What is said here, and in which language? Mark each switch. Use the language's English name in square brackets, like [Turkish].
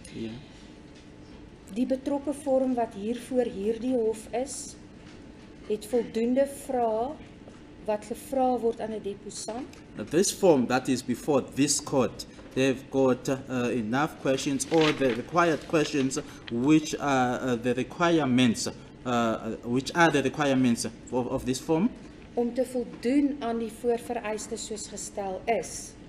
[English] Yeah. [Afrikaans] Die betrokke vorm wat hiervoor hierdie hof is, het voldoende vrae wat gevra word aan 'n deposant. [English] This form that is before this court, they've got enough questions or the required questions which are the requirements. Which are the requirements of this form? [Afrikaans] Om te voldoen aan die voorvereistes soos gestel is.